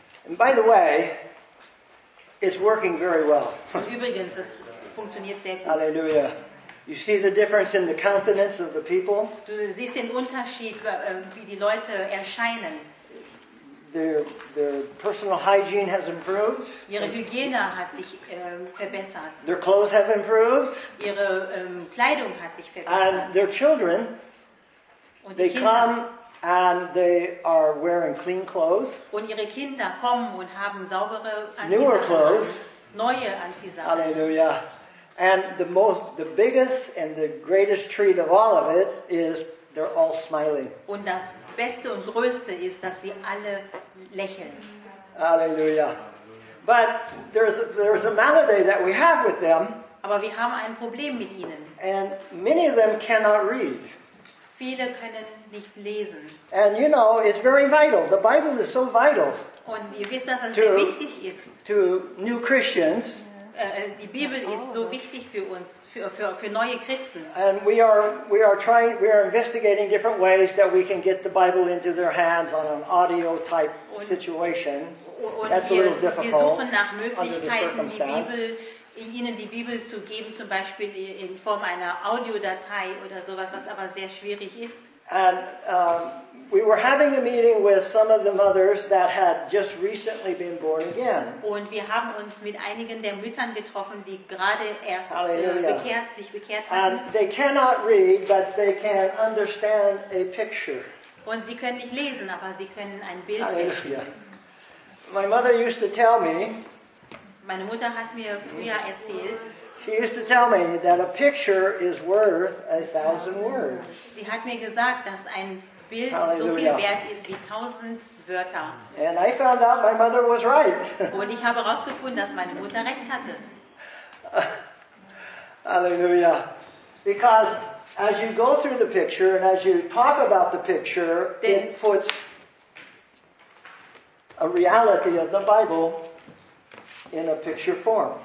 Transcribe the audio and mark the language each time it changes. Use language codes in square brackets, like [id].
[en] And by the way, it's working very well. [de] Und übrigens, es funktioniert sehr gut. Halleluja. [en] You see the difference in the countenance of the people? [de] Du siehst den Unterschied, wie die Leute erscheinen. [en] Their personal hygiene has improved. [de] Ihre Hygiene hat sich verbessert. [en] Their clothes have improved. [de] Ihre Kleidung hat sich verbessert. [en] And their children, [de] und [en] they [de] Kinder, [en] come and they are wearing clean clothes. [de] Und ihre Kinder kommen und haben saubere [en] newer clothes. [de] Neue Anziehsachen. Halleluja. [en] And the biggest and the greatest treat of all of it is they're all smiling. [de] Und das Beste und Größte ist, dass sie alle lächeln. Halleluja. [en] But there's a malady that we have with them. [de] Aber wir haben ein Problem mit ihnen. [en] And many of them cannot read. [de] Viele können nicht lesen. [en] And you know, it's very vital. The Bible is so vital. [de] Und ihr wisst, dass es sehr wichtig ist. [en] To new Christians. [de] Die Bibel ist so wichtig für uns, für neue Christen. [en] And we are investigating different ways that we can get the Bible into their hands on an audio type situation. That's a little difficult. [de] Wir suchen nach Möglichkeiten, ihnen die Bibel zu geben, zum Beispiel in Form einer Audiodatei oder sowas, was aber sehr schwierig ist. [en] And we were having a meeting with some of the mothers that had just recently been born again. [de] Und wir haben uns mit einigen der Müttern getroffen, die gerade erst sich bekehrt haben. [en] And they cannot read, but they can understand a picture. [de] Und sie können nicht lesen, aber sie können ein Bild sehen. [en] My mother used to tell me. [de] Meine Mutter hat mir früher erzählt. [en] She used to tell me that a picture is worth 1,000 words. [de] Sie hat mir gesagt, dass ein Bild so viel wert ist wie 1,000 Wörter. [en] And I found out my mother was right. [de] Und ich habe herausgefunden, dass meine Mutter recht hatte. Halleluja. [en] Because as you go through the picture and as you talk about the picture, it puts a reality of the Bible in a picture form.